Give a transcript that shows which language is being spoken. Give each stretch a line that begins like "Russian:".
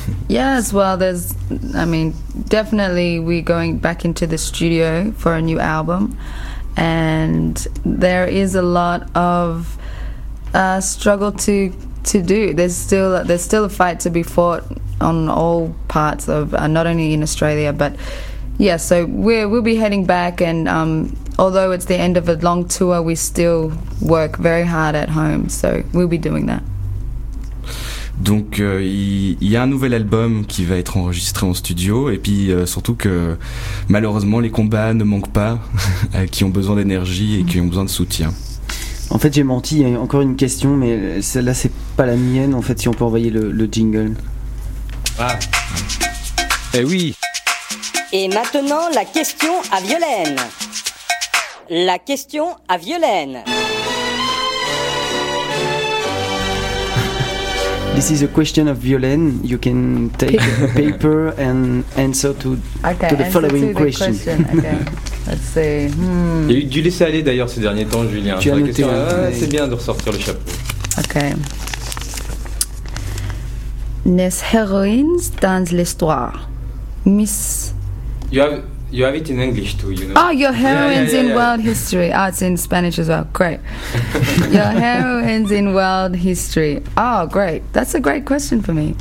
English: Yes, well, there's definitely we're going back into the studio for a new album, and there is a lot of struggle to do. There's still a fight to be fought on all parts of not only in Australia, but yeah, so we'll be heading back, and although it's the end of a long tour, we still work very hard at home, so we'll be doing that.
French: Donc il y a un nouvel album qui va être enregistré en studio, et puis surtout que malheureusement les combats ne manquent pas, qui ont besoin d'énergie et qui ont besoin de soutien. En fait j'ai menti, il y a encore une question, mais celle-là c'est pas la mienne, en fait, si on peut envoyer le jingle. Ah. Eh oui. Et maintenant la question à Violaine. La question à Violaine.
English: This is a question of Violaine. You can take paper and answer to, okay, to the following to the question. Let's see.
French: Il y a eu du laisser aller d'ailleurs ces derniers temps, Julien. Tu as noté, ah, c'est bien de ressortir le chapeau.
English: Okay.
French: Les héroïnes dans l'histoire.
English: Miss. You have it in English too, you know. Oh, your heroines in world history. Oh, it's in Spanish as well. Great. Your heroines in world history. Oh, great. That's a great question for me.